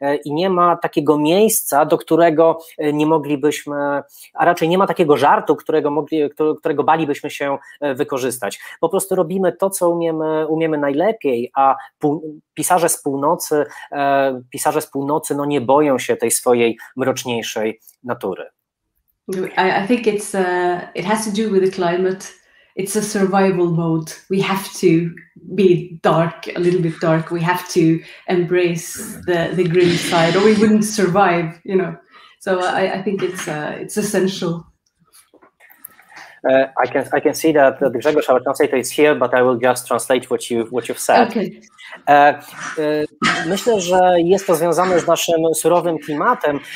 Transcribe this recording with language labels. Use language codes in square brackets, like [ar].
[pl] I nie ma takiego miejsca, do którego nie moglibyśmy, a raczej nie ma takiego żartu, którego bali byśmy się wykorzystać. Po prostu robimy to, co umiemy najlepiej, a pisarze z północy no nie boją się tej swojej mroczniejszej natury. [en] I think it's it has to do with the climate. It's a survival mode. We have to be dark, a little bit dark. We have to embrace the grim side, or we wouldn't survive, you know. So I think it's essential. I can see that Grzegorz, I would not say that it's here, but I will just translate what you've said. Okay. [pl] Myślę, że jest to związane z naszym surowym klimatem.